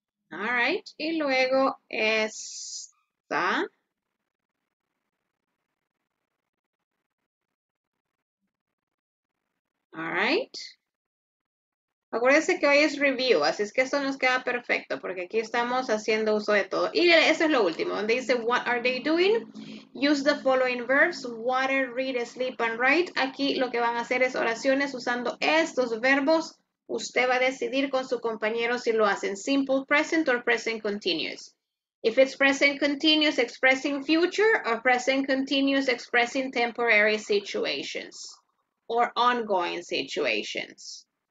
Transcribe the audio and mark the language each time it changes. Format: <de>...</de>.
<en>All right.</en> <es>Y luego esta.</es> <en>All right.</en> <es>Acuérdense que hoy es review, así es que esto nos queda perfecto, porque aquí estamos haciendo uso de todo. Y eso es lo último, donde dice,</es> <en>what are they doing? Use the following verbs, water, read, sleep, and write.</en> <es>Aquí lo que van a hacer es oraciones usando estos verbos. Usted va a decidir con su compañero si lo hacen</es> <en>simple present or present continuous. If it's present continuous expressing future, or present continuous expressing temporary situations, or ongoing situations.</en>